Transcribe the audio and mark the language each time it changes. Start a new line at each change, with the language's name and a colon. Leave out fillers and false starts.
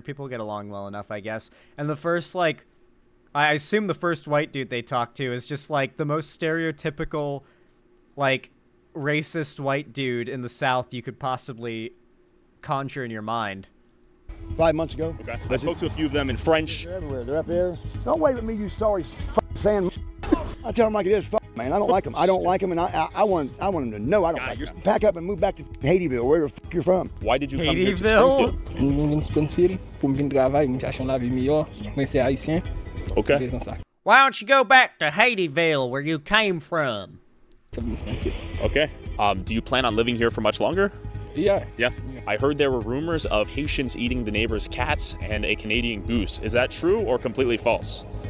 English: People get along well enough, I guess. And the first, like... I assume the first white dude they talked to is just, like, the most stereotypical, like, racist white dude in the South you could possibly conjure in your mind. 5 months ago. Okay. I spoke to a few of them in French. They're everywhere. They're up there. Don't wave at me, you sorry sand. I tell them like it is, man. I don't like them. I don't like them, and I want them to know I don't like them. Pack up and move back to Haitiville, wherever the fuck you're from. Why did you come here to Springfield?
French: Nous venons de Springfield pour venir travailler, nous cherchons la vie meilleure. Mais c'est haïtien.
English: Okay. Why don't you go back to Haitiville, where you came from? Okay. Do you plan on living here for much longer? Yeah. I heard there were rumors of Haitians eating the neighbor's cats and a Canadian goose. Is that true or completely false?